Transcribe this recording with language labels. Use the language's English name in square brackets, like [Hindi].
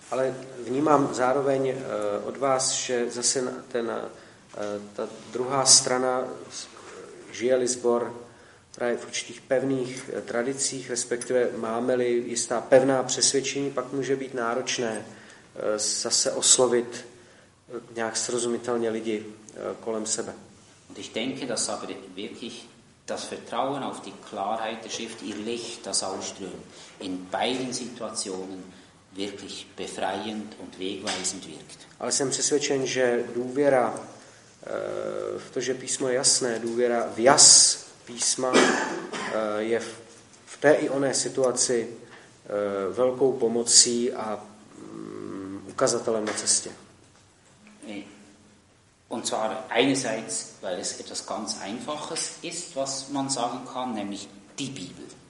[Czech] Ale vnímám zároveň od vás, že zase ten ta druhá strana žije-li sbor právě v určitých pevných tradicích, respektive máme-li jistá pevná přesvědčení, pak může být náročné zase oslovit nějak srozumitelně lidi kolem sebe. [German] Und ich denke, dass aber wirklich das Vertrauen auf die Klarheit der Schrift, ihr Licht, das ausströmt, in beiden Situationen wirklich befreiend und wegweisend wirkt. [Czech] Ale jsem přesvědčen, že důvěra v to, že písmo je jasné, důvěra v jas písma je v té i oné situaci velkou pomocí a ukazatelem na cestě. [German] Und zwar einerseits, weil es etwas ganz Einfaches ist, was man sagen kann, nämlich die Bibel.